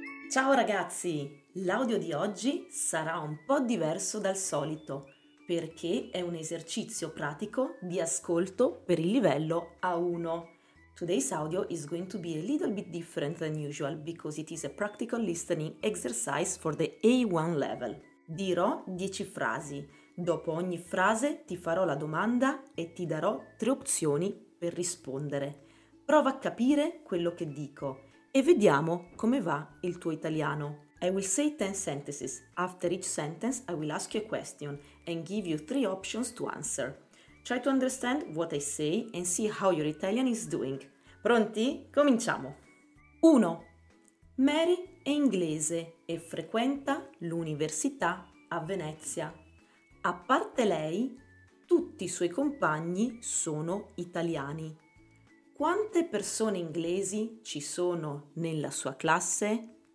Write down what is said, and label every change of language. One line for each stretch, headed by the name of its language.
Italian: Ciao ragazzi, l'audio di oggi sarà un po' diverso dal solito perché è un esercizio pratico di ascolto per il livello A1.
English: Today's audio is going to be a little bit different than usual because it is a practical listening exercise for the A1 level.
Italian: Dirò 10 frasi, dopo ogni frase ti farò la domanda e ti darò 3 opzioni per rispondere. Prova a capire quello che dico. E vediamo come va il tuo italiano.
English: I will say 10 sentences. After each sentence, I will ask you a question and give you 3 options to answer. Try to understand what I say and see how your Italian is doing.
Italian: Pronti? Cominciamo! 1. Mary è inglese e frequenta l'università a Venezia. A parte lei, tutti i suoi compagni sono italiani. Quante persone inglesi ci sono nella sua classe?